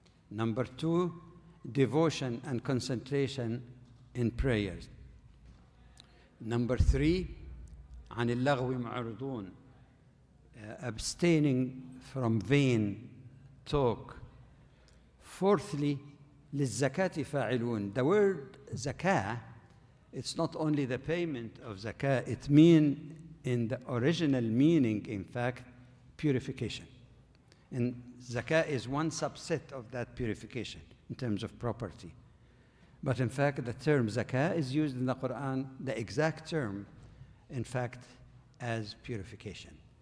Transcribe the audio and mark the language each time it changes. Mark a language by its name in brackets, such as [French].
[English] Number two, devotion and concentration in prayers. Number three, [Arabic] عن اللغو معرضون, [English] abstaining from vain talk. Fourthly, [Arabic] لِلزَّكَاةِ فَاعِلُونَ. [English] The word zakah, it's not only the payment of zakah, it means in the original meaning, in fact, purification. And zakah is one subset of that purification in terms of property. But in fact, the term zakah is used in the Quran, the exact term, in fact, as purification.